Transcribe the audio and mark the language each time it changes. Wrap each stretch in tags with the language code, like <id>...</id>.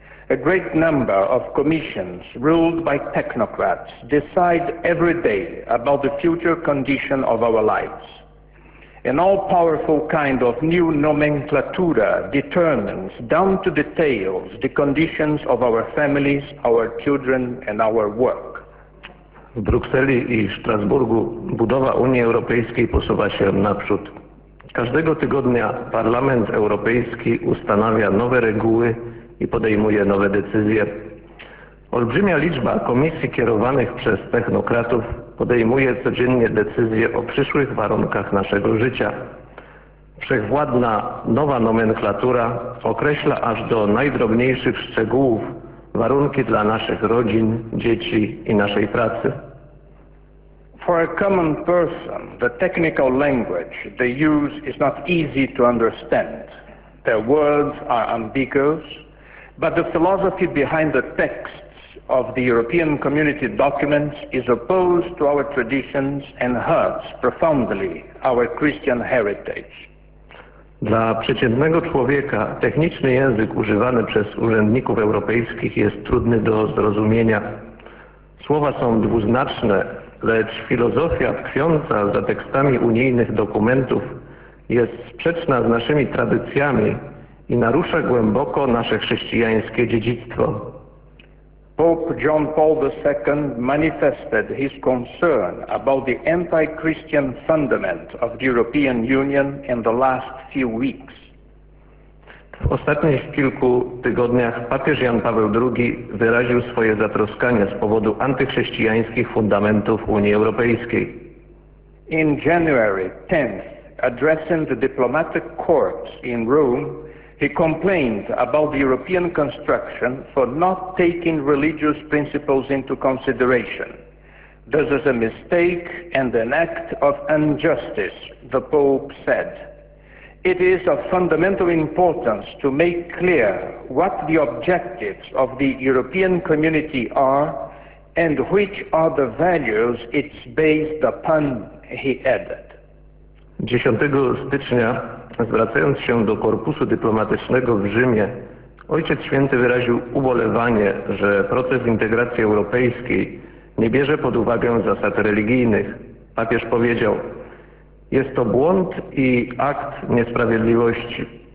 <en>A great number of commissions ruled by technocrats decide every day about the future condition of our lives. An all-powerful kind of new nomenclatura determines, down to details, the conditions of our families, our children and our work.</en> <pl>W Brukseli i Strasburgu budowa Unii Europejskiej posuwa się naprzód. Każdego tygodnia Parlament Europejski ustanawia nowe reguły i podejmuje nowe decyzje. Olbrzymia liczba komisji kierowanych przez technokratów podejmuje codziennie decyzje o przyszłych warunkach naszego życia. Wszechwładna nowa nomenklatura określa aż do najdrobniejszych szczegółów warunki dla naszych rodzin, dzieci i naszej pracy.</pl> <en>For a common person, the technical language they use is not easy to understand. Their words are ambiguous, but the philosophy behind the text of the European Community documents is opposed to our traditions and hurts profoundly our Christian heritage.</en> <pl>Dla przeciętnego człowieka techniczny język używany przez urzędników europejskich jest trudny do zrozumienia. Słowa są dwuznaczne, lecz filozofia tkwiąca za tekstami unijnych dokumentów jest sprzeczna z naszymi tradycjami i narusza głęboko nasze chrześcijańskie dziedzictwo.</pl> <en>Pope John Paul II manifested his concern about the anti-Christian fundament of the European Union in the last few weeks.</en> <pl>W ostatnich kilku tygodniach papież Jan Paweł II wyraził swoje zatroskanie z powodu antychrześcijańskich fundamentów Unii Europejskiej.</pl> <en>In January 10th, addressing the diplomatic courts in Rome, he complained about the European construction for not taking religious principles into consideration. This is a mistake and an act of injustice, the Pope said. It is of fundamental importance to make clear what the objectives of the European Community are and which are the values it's based upon, he added.</en> <pl>10 stycznia, zwracając się do korpusu dyplomatycznego w Rzymie, Ojciec Święty wyraził ubolewanie, że proces integracji europejskiej nie bierze pod uwagę zasad religijnych. Papież powiedział, jest to błąd i akt niesprawiedliwości.</pl>